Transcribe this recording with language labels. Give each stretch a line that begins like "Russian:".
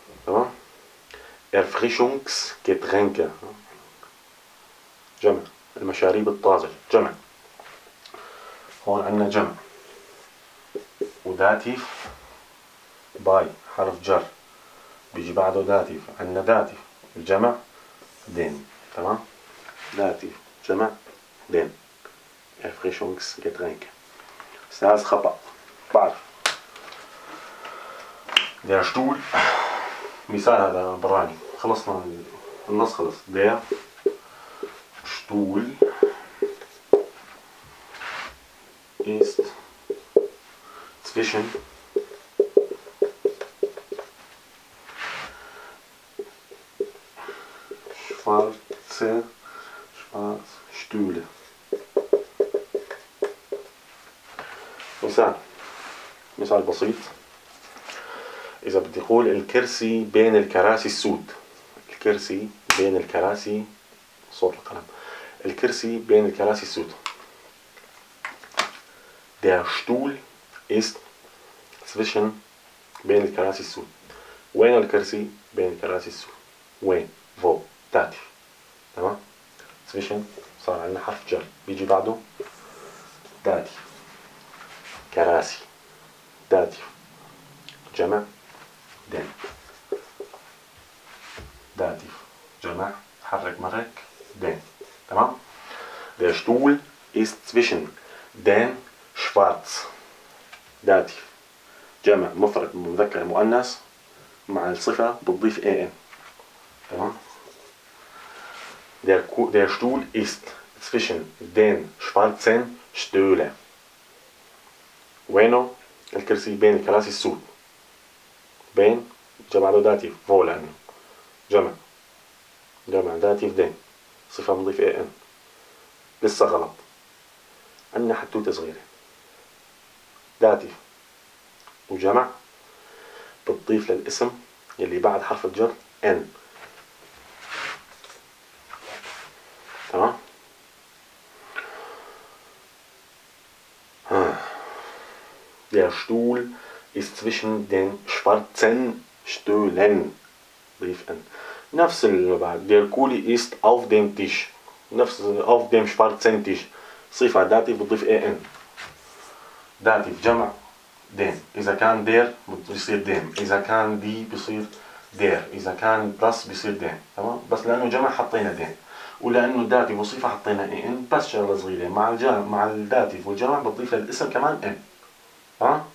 Arabic: تمام
German: erfrischungs getränke
Arabic: جمع المشاريب الطازجه، جمع هون عندنا جمع وداتيف باي حرف جر بيجي بعده داتيف، عندنا داتيف الجمع دين. تمام داتيف جمع دين
German: erfrischungs getränke.
Arabic: ساس خطأ بعرف.
German: der Stuhl
Arabic: مثال هذا براني، خلصنا النص خلص.
German: der Stuhl ist zwischen schwarze schwarz Stühle.
Arabic: مثال، مثال بسيط، إذا بدي أقول الكرسي بين الكراسي السود، الكرسي بين الكراسي، صوت القلم، الكرسي بين الكراسي السود.
German: der Stuhl ist zwischen
Arabic: بين الكراسي السود. وين الكرسي بين الكراسي السود؟ وين؟ wo داتي. تمام؟ zwischen صار عندنا حرف جر بيجي بعده داتي. كراسي داتيف جمع دين داتيف جمع حرك مرك دين. تمام
German: der Stuhl ist zwischen den schwarz
Arabic: داتيف جمع مفرد مذكر مؤنث مع الصفة بتضيف ان.
German: تمام der Stuhl ist zwischen den schwarzen Stühle.
Arabic: وينه الكرسي بين الكراسي السود، بين جمع له داتيف فولن، جمع داتيف دين، صفة مضيفة ان. لسه غلط، عندنا حدوتة صغيرة، داتيف وجمع بتضيف للاسم يلي بعد حرف الجر ان.
German: Der Stuhl ist zwischen den schwarzen Stühlen, rief N.
Arabic: نفس اللي بعد.
German: Der Kuli ist auf dem Tisch. نفس auf dem schwarzen Tisch.
Arabic: صفة داتيف بتضيف EN. داتيف جمع den. إذا كان der بيصير dem. إذا كان die بيصير der. إذا كان das بيصير den. تمام؟ بس لأنه جمع حطينا den. ولأنه داتيف وصفة حطينا EN بس شغلة صغيرة. مع الداتيف والجمع بتضيف للاسم كمان N.